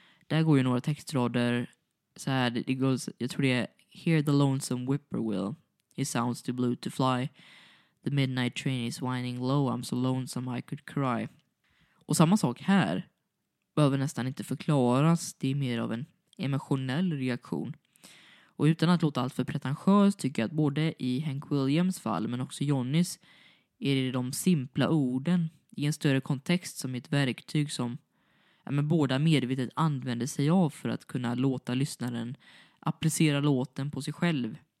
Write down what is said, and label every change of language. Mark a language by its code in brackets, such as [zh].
[sv] där går ju några textrader så här, det goes, jag tror det är [en] "Hear the lonesome whippoorwill, he sounds too blue to fly. The midnight train is whining low, I'm so lonesome I could cry." [sv] Och samma sak här behöver nästan inte förklaras, det är mer av en emotionell reaktion. Och utan att låta allt för pretentiöst tycker jag att både i Hank Williams fall men också Johnnys är det de simpla orden i en större kontext som ett verktyg som men båda medvetet använder sig av för att kunna låta lyssnaren applicera låten på sig själv.